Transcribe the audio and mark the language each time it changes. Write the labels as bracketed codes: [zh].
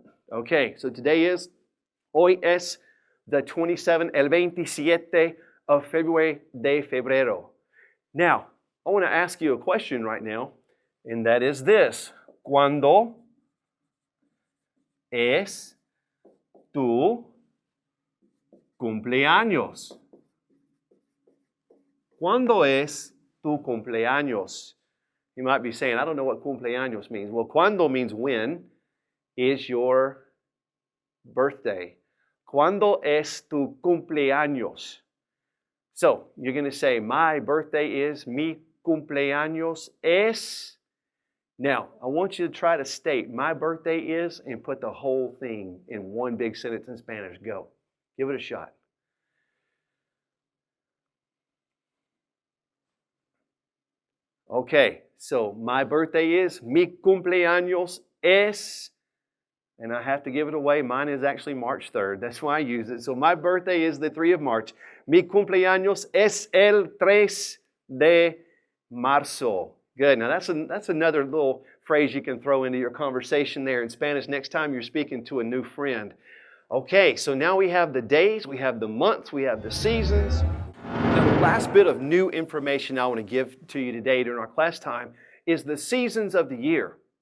[en] Okay, so today is [es] hoy es [en] the 27, [es] el 27 [en] of February, [es] de febrero. [en] Now, I want to ask you a question right now, and that is this. [es] ¿Cuándo es tu cumpleaños? ¿Cuándo es tu cumpleaños? [en] You might be saying, I don't know what cumpleaños means. Well, cuando means when is your birthday. [es] ¿Cuándo es tu cumpleaños? [en] So, you're going to say, my birthday is, [es] mi cumpleaños es. [en] Now, I want you to try to state my birthday is and put the whole thing in one big sentence in Spanish. Go. Give it a shot. Okay, so my birthday is, [es] mi cumpleaños es, [en] and I have to give it away. Mine is actually March 3rd. That's why I use it. So my birthday is the 3 of March. [es] Mi cumpleaños es el 3 de marzo. [en] Good. Now, that's another little phrase you can throw into your conversation there in Spanish next time you're speaking to a new friend. Okay, so now we have the days, we have the months, we have the seasons. The last bit of new information I want to give to you today during our class time is the seasons of the year.